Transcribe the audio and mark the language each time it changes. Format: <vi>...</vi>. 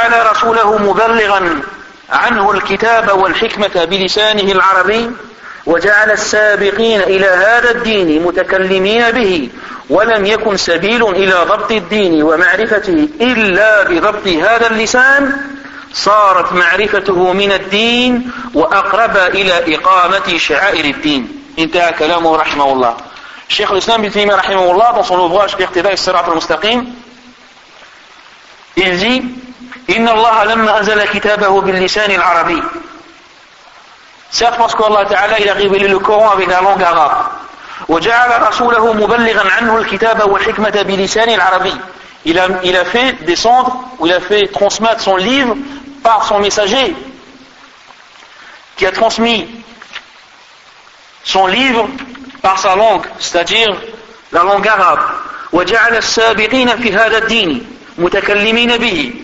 <ar>رسوله مبلغا عنه الكتاب والحكمة بلسانه العربي وجعل السابقين إلى هذا الدين متكلمين به ولم يكن سبيل إلى ضبط الدين ومعرفته إلا بضبط هذا اللسان صارت معرفته من الدين وأقرب إلى إقامة شعائر الدين. انتهى كلامه رحمه الله. شيخ الإسلام ابن تيمية رحمه الله</ar> <fr>dans son ouvrage</fr> <ar>اقتداء الصراط المستقيم,</ar> <fr>il dit</fr> <ar>إن الله لما أنزل كتابه باللسان العربي.</ar> <fr>Certes, parce que Allah Ta'ala il a révélé le Coran avec la langue arabe.</fr> <ar>وجعل رسوله مبلغا عنه الكتاب والحكمة بلسان العربي.</ar> <fr>Il a fait descendre, ou il a fait transmettre son livre par son messager, qui a transmis son livre par sa langue, c'est-à-dire la langue arabe.</fr> <ar>وَجَعَلَ السَّابِقِينَ فِي هَذَا الدِّينِ مُتَكَلِّمِينَ بِهِ.</ar>